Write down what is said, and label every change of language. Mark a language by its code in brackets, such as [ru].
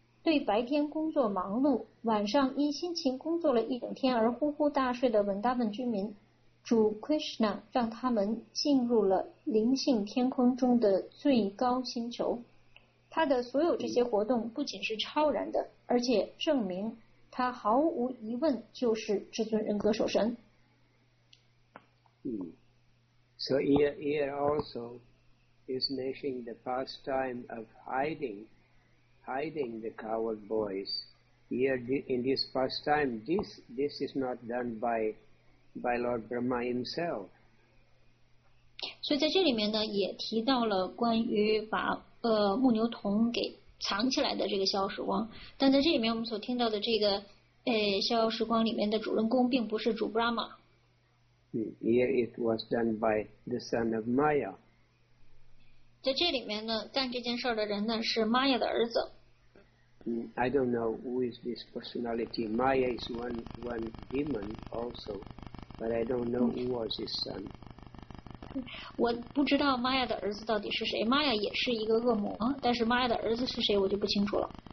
[zh] 对白天工作忙碌，晚上因辛勤工作了一整天而呼呼大睡的文达文居民，主 Krishna 让他们进入了灵性天空中的最高星球。他的所有这些活动不仅是超然的，而且证明他毫无疑问就是至尊人格守神。 [en] 嗯， So here also is mentioning the pastime of hiding the coward boys. Here in this pastime, this is not done by Lord Brahma himself. [zh] 所以在这里面呢，也提到了关于把牧牛童给藏起来的这个消失光。但在这里面，我们所听到的这个消失光里面的主人公并不是主 Brahma。 [en] Here it was done by the son of Maya. [zh] 在这里面呢，干这件事的人呢是 Maya 的儿子。 [en] I don't know who is this personality. Maya is one demon also, but I don't know who was his son. [zh] 我不知道 Maya 的儿子到底是谁。Maya 也是一个恶魔，但是 Maya 的儿子是谁我就不清楚了。